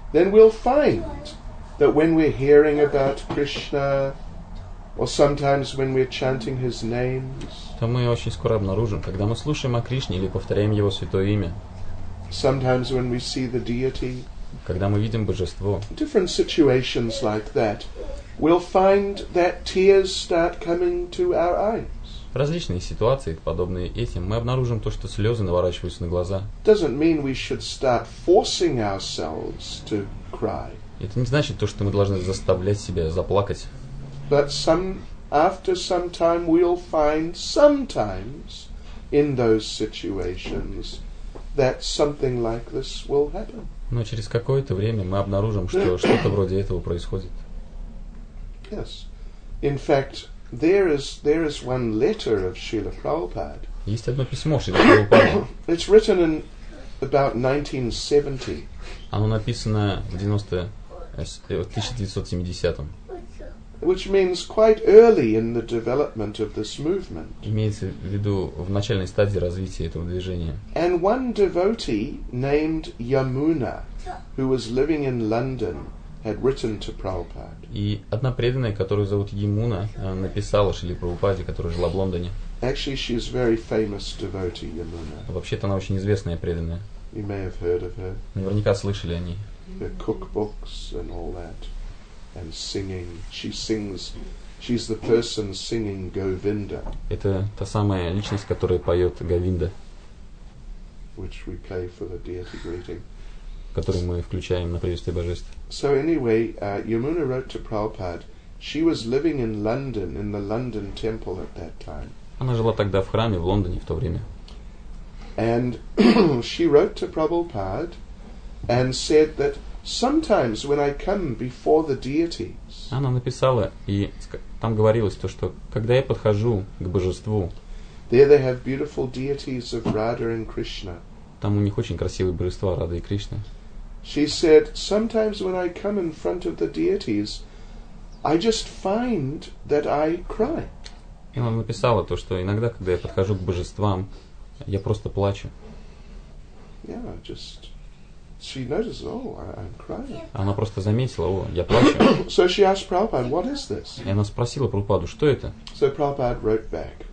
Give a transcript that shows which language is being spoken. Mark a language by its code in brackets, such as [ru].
[en] Then we'll find that when we're hearing about Krishna, or sometimes when we're chanting his names. [ru] То мы очень скоро обнаружим, когда мы слушаем о Кришне или повторяем его святое имя. [en] Sometimes when we see the deity. [ru] Когда мы видим божество. [en] Different situations like that, we'll find that tears start coming to our eyes. [ru] Различные ситуации, подобные этим, мы обнаружим то, что слезы наворачиваются на глаза. [en] Doesn't mean we should start forcing ourselves to cry. [ru] Это не значит то, что мы должны заставлять себя заплакать. [en] But after some time we'll find sometimes in those situations that something like this will happen. [ru] Но через какое-то время мы обнаружим, что что-то вроде этого происходит. [en] Yes. In fact, there is one letter of Srila Prabhupada. [ru] Есть одно письмо Шрила Прабхупады. [en] It's written in about 1970. [ru] Оно написано в 1970-м. [en] Which means quite early in the development of this movement. [ru] Имеется в виду в начальной стадии развития этого движения. [en] And one devotee named Yamuna, who was living in London, had written to Prabhupada. [ru] И одна преданная, которую зовут Ямуна, написала Шриле Прабхупаде, которая жила в Лондоне. [en] Actually, she is a very famous devotee, Yamuna. [ru] Вообще-то она очень известная преданная. [en] You may have heard of her. [ru] Наверняка слышали о ней. [en] The cookbooks and all that. And singing, she sings. She's the person singing Govinda. [ru] Это та самая личность, которая поет Говинда. [en] Which we play for the deity greeting. [ru] Которую мы включаем на приветствие божеств. [en] So anyway, Yamuna wrote to Prabhupada. She was living in London, in the London temple at that time. [ru] Она жила тогда в храме в Лондоне в то время. [en] And she wrote to Prabhupada and said that sometimes when I come before the deities. [ru] Она написала и там говорилось то, что когда я подхожу к божеству. [en] There they have beautiful deities of Radha and Krishna. [ru] Там у них очень красивые божества Рады и Кришны. [en] She said, sometimes when I come in front of the deities, I just find that I cry. [ru] И она написала то, что иногда, когда я подхожу к божествам, я просто плачу. [en] Yeah, just she noticed, oh, I'm crying. [ru] Она просто заметила, о, я плачу. [en] So she asked Prabhupada, what is this? [ru] И она спросила Прабхупаду, что это? [en] So Prabhupada wrote back.